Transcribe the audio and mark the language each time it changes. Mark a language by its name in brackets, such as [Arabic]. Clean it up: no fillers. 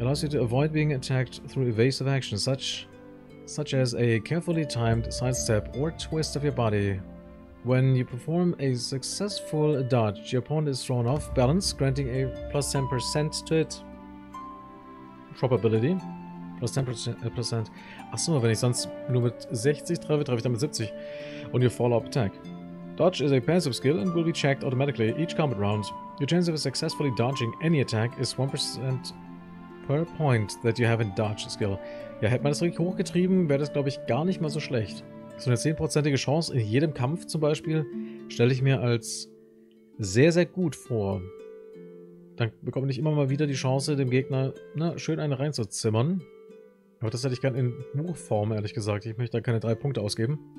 [English] Allows you to avoid being attacked through evasive action, such as a carefully timed sidestep or twist of your body. When you perform a successful dodge, your opponent is thrown off balance, granting a plus 10% to it. Probability. Plus 10%. [German] Achso, wenn ich sonst nur mit 60 treffe, treffe ich dann mit 70. [English] Und your follow-up attack. Dodge is a passive skill and will be checked automatically each combat round. Your chance of successfully dodging any attack is 1% per point that you have in dodge skill. [German] Ja, hätte man das wirklich hochgetrieben, wäre das, glaube ich, gar nicht mal so schlecht. So eine 10%ige Chance in jedem Kampf zum Beispiel stelle ich mir als sehr, sehr gut vor. Dann bekomme ich immer mal wieder die Chance, dem Gegner, na, schön eine reinzuzimmern. Aber das hätte ich gerne in Buchform, ehrlich gesagt. Ich möchte da keine 3 Punkte ausgeben.